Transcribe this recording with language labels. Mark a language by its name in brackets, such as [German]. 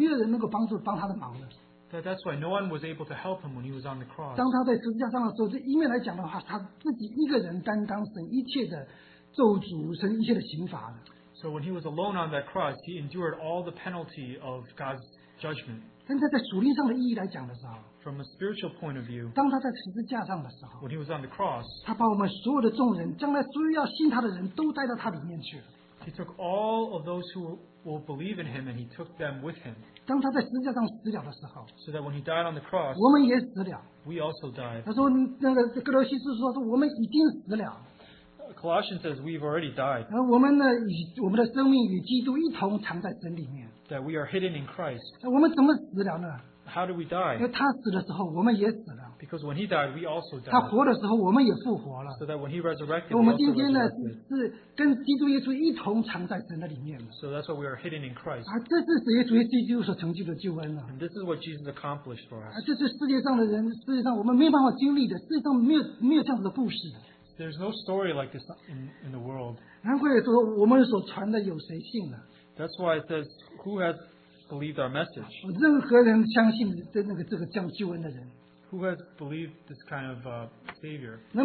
[Chinese] 一面来说呢，主成就救恩的时候，他是独自抬酒闸，没有人可以跟他，在他的成就救恩的时候，没有人能够帮助帮他的忙的。 [English] That's why no one was able to help him when he was on the cross. [Chinese] 当他在十字架上的时候，是一面来讲的话，他自己一个人担当神一切的咒诅，神一切的刑罚的。 [English] So when he was alone on that cross, he endured all the penalty of God's judgment. [Chinese] 但他在属灵上的意义来讲的时候， [English] from a spiritual point of view, [Chinese] 当他在十字架上的时候, [English] when he was on the cross, [Chinese] 他把我们所有的众人，将来所有要信他的人都带到他里面去了。 [English] He took all of those who will believe in him and he took them with him. [Chinese] 当他在十字架上死了的时候, [English] so that when he died on the cross, [Chinese] 我们也死了, [English] we also died. [Chinese] 他说那个哥罗西斯说我们已经死了。 [English] Colossians says we've already died. [Chinese] 我们呢，我们的生命与基督一同藏在神里面。 [English] That we are hidden in Christ. [Chinese] 我们怎么死了呢？ [English] How do we die? [Chinese] 因为他死的时候，我们也死了。 [English] Because when he died, we also died. [Chinese] 他活的时候，我们也复活了。 [English] So that when he resurrected, we also resurrected. [Chinese] 我们今天呢，是跟基督耶稣一同藏在神的里面了。 [English] So that's why we are hidden in Christ. [Chinese] 这是耶稣基督所成就的救恩了。 [English] And this is what Jesus accomplished for us. [Chinese] 这是世界上的人，世界上我们没办法经历的，世界上没有这样子的故事。 [English] There's no story like this in the world. [Chinese] 难怪说我们所传的有谁信了？ [English] That's why it says, who has believed our message? [Chinese] 任何人相信这个叫救恩的人， [English] who has believed this kind of savior?